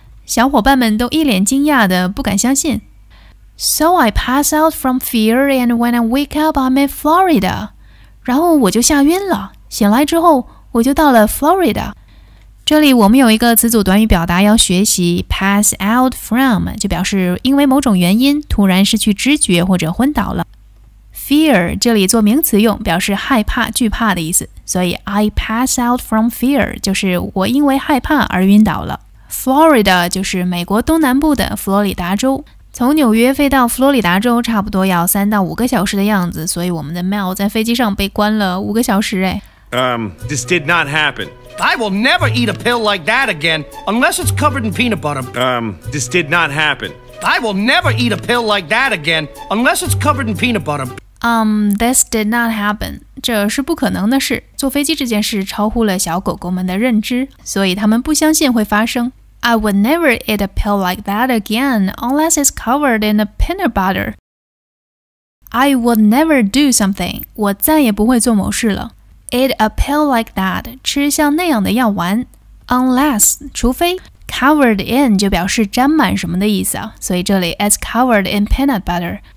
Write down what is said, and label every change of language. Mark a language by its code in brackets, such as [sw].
[zh] 小伙伴们都一脸惊讶的不敢相信。 [en] So I pass out from fear and when I wake up, I'm in Florida. [zh] 然后我就吓晕了。醒来之后,我就到了 Florida。这里我们有一个词组短语表达要学习 [en] pass out from, [zh] 就表示因为某种原因突然失去知觉或者昏倒了。 Fear, 这里做名词用表示害怕、惧怕的意思。所以 [en] I pass out from fear, [zh] 就是我因为害怕而晕倒了。 Florida 就是美国东南部的佛罗里达州，从纽约飞到佛罗里达州差不多要3到5个小时的样子，所以我们的 Mel 在飞机上被关了5个小时。哎， [en] This did not happen. I will never eat a pill like that again unless it's covered in peanut butter. This did not happen. I will never eat a pill like that again unless it's covered in peanut butter. This did not happen. [zh] 这是不可能的事。坐飞机这件事超乎了小狗狗们的认知，所以他们不相信会发生。 [en] I would never eat a pill like that again unless it's covered in a peanut butter. I would never do something. [zh] 我再也不会做某事了。 [en] Eat a pill like that. [zh] 吃像那样的药丸。 [en] Unless, [zh] 除非。 [en] Covered in [zh] 就表示沾满什么的意思啊。所以这里 [en] it's covered in peanut butter.